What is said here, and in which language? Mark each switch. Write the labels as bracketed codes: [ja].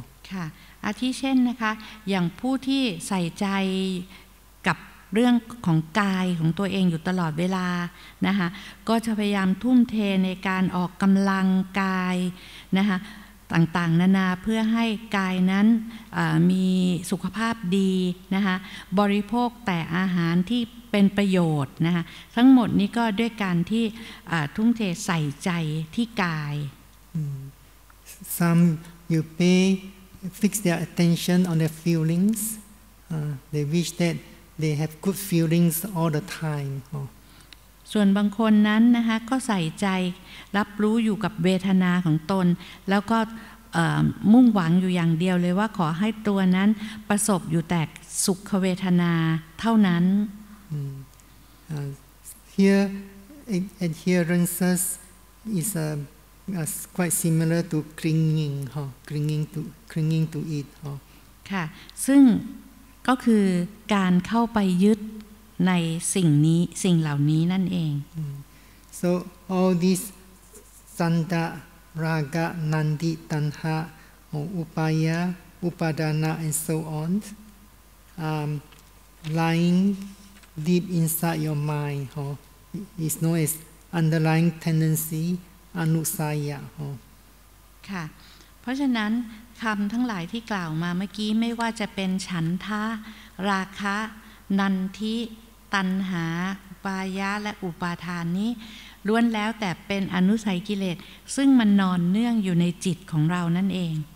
[th] ค่ะอาทิเช่นนะคะอย่างผู้ที่ใส่ใจกับเรื่องของกายของตัวเองอยู่ตลอดเวลานะคะก็จะพยายามทุ่มเทในการออกกำลังกายนะคะต่างๆนานาเพื่อให้กายนั้นมีสุขภาพดีนะคะบริโภคแต่อาหารที่เป็นประโยชน์นะคะทั้งหมดนี้ก็ด้วยการที่ทุ่มเทใส่ใจที่กาย [en] Some you pay fix their attention on their feelings they wish that they have good feelings all the time [th] ส่วนบางคนนั้นนะคะก็ใส่ใจรับรู้อยู่กับเวทนาของตนแล้วก็มุ่งหวังอยู่อย่างเดียวเลยว่าขอให้ตัวนั้นประสบอยู่แต่สุขเวทนาเท่านั้น [en] Here adherences is quite similar to clinging clinging to it [th] ค่ะซึ่งก็คือการเข้าไปยึดในสิ่งนี้สิ่งเหล่านี้นั่นเอง [en] So all this sanda raga nandi tanha upaya upadana and so on lying deep inside your mind is known as underlying tendency anusaya [th] ค่ะเพราะฉะนั้นคำทั้งหลายที่กล่าวมาเมื่อกี้ไม่ว่าจะเป็นฉันทะราคะนันทิตัณหาอุปายะและอุปาทานนี้ล้วนแล้วแต่เป็นอนุสัยกิเลสซึ่งมันนอนเนื่องอยู่ในจิตของเรานั่นเอง